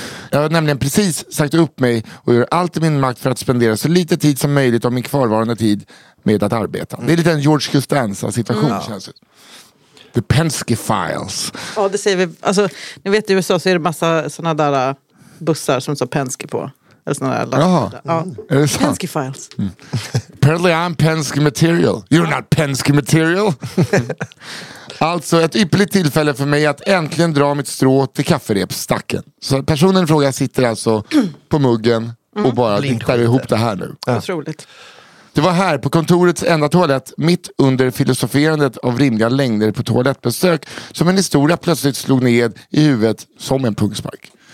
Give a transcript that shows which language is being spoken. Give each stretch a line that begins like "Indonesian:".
Swedish: Jag har nämligen precis sagt upp mig och gör allt i min makt för att spendera så lite tid som möjligt av min kvarvarande tid med att arbeta. Det är lite en George Costanza-situation känns det.
English: The Penske Files.
Swedish: Ja, det säger vi. Alltså, ni vet i USA så är det massa såna där bussar som står Penske på. Eller Penske Files. Mm.
English: Apparently I'm Penske Material. You're not Penske Material.
Swedish: Alltså ett ypperligt tillfälle för mig att äntligen dra mitt strå till kafferepsstacken. Så personen i fråga sitter alltså på muggen och bara tittar ihop det här nu. Otroligt. Det var här på kontorets enda toalett, mitt under filosoferandet av rimliga längder på toalettbesök, som en historia plötsligt slog ned i huvudet som en pungspark.